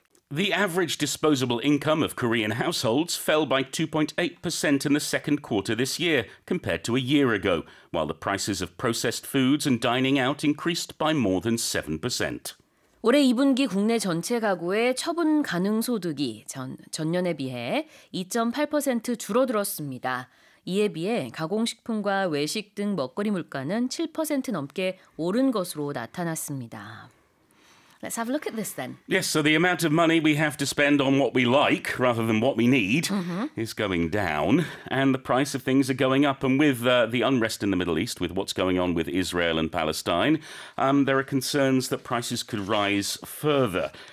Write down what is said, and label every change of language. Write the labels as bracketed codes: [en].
[en] The average disposable income of Korean households fell by 2.8% in the second quarter this year, compared to a year ago, while the prices of processed foods and dining out increased by more than 7%. [ko] 올해 2분기 국내 전체 가구의 처분 가능 소득이 전년에 비해 2.8% 줄어들었습니다. 이에 비해 가공식품과 외식 등 먹거리 물가는 7% 넘게 오른 것으로 나타났습니다. [en] Let's have a look at this then. Yes, so the amount of money we have to spend on what we like rather than what we need mm-hmm. is going down. And the price of things are going up. And with the unrest in the Middle East, with what's going on with Israel and Palestine, there are concerns that prices could rise further.